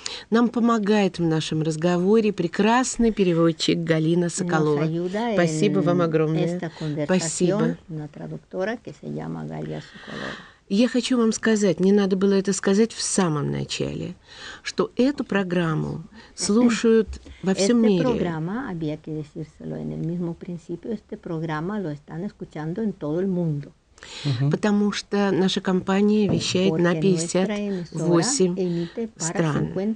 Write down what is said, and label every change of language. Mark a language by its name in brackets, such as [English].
[Russian] Нам помогает в нашем разговоре прекрасный переводчик Галина Соколова. Спасибо вам огромное. Спасибо. На трактора, [Spanish] que se llama Galia Sokolova. [Russian] Я хочу вам сказать, мне надо было это сказать в самом начале, что эту программу слушают во всем мире. [Spanish] Esta programa, había que decírselo en el mismo principio, esta programa lo están escuchando en todo el mundo. [Russian] Потому что наша компания вещает на 58 стран.